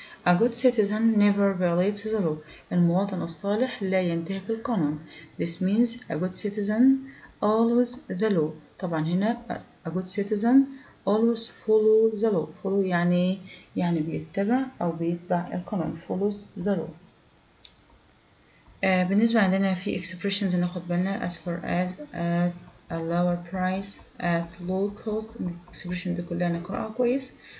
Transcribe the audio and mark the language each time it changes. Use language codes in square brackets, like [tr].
[en] A good citizen never violates the law [ar] المواطن الصالح لا ينتهك القانون. [en] This means a good citizen always the law [ar] طبعا هنا [en] a good citizen always follow the law. [ar] Follow يعني بيتبع أو بيتبع القانون. [en] Follows the law. [ar] بالنسبة عندنا في [en] expressions [ar] ناخد بالنا [en] as far as at a lower price at low cost. [ar] Expression دي كلها نقرأها كويس.